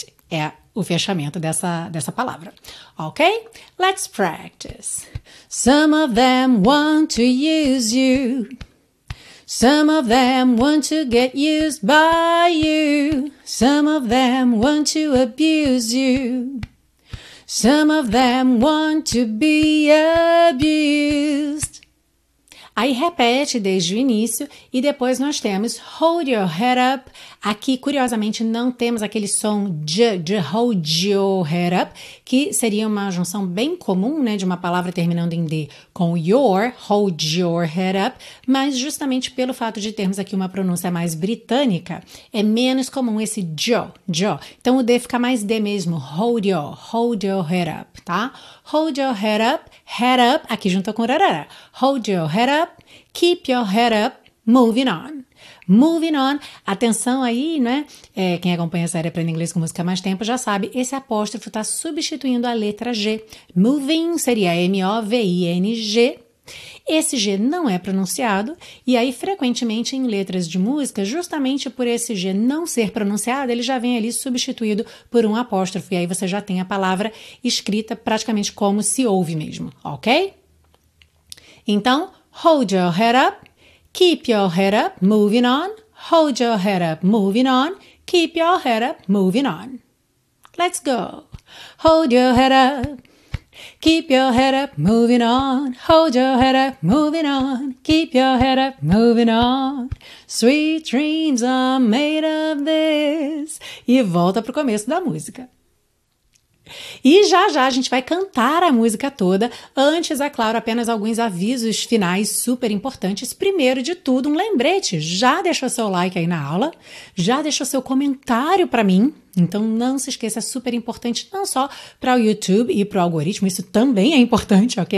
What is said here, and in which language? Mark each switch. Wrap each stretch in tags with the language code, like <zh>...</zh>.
<pt>É o fechamento dessa palavra.</pt> <en>Ok? Let's practice. Some of them want to use you. Some of them want to get used by you. Some of them want to abuse you. Some of them want to be abused.</en> <pt>Aí repete desde o início e depois nós temos</pt> <en>hold your head up.</en> <pt>Aqui, curiosamente, não temos aquele som de</pt> <en>hold your head up,</en> <pt>que seria uma junção bem comum, né, de uma palavra terminando em D com your, hold your head up, mas justamente pelo fato de termos aqui uma pronúncia mais britânica, é menos comum esse jo. Então o D fica mais D mesmo,</pt> <en>hold your head up,</en> <pt>tá?</pt> <en>Hold your head up,</en> <pt>aqui junto com rarara.</pt> <en>Hold your head up, keep your head up, moving on. Moving on,</en> <pt>atenção aí, né? É, quem acompanha a série Aprenda Inglês com Música há mais tempo já sabe, esse apóstrofo está substituindo a letra G. Moving seria M-O-V-I-N-G. Esse G não é pronunciado, e aí frequentemente em letras de música, justamente por esse G não ser pronunciado, ele já vem ali substituído por um apóstrofo, e aí você já tem a palavra escrita praticamente como se ouve mesmo, ok?</pt> <en>Então, hold your head up, keep your head up, moving on, hold your head up, moving on, keep your head up, moving on. Let's go! Hold your head up. Keep your head up, moving on. Hold your head up, moving on. Keep your head up, moving on. Sweet dreams are made of this.</en> <pt>E volta pro começo da música. E já a gente vai cantar a música toda. Antes, é claro, apenas alguns avisos finais super importantes. Primeiro de tudo, um lembrete. Já deixou seu like aí na aula? Já deixou seu comentário para mim? Então não se esqueça, é super importante não só para o YouTube e para o algoritmo, isso também é importante, ok?</pt>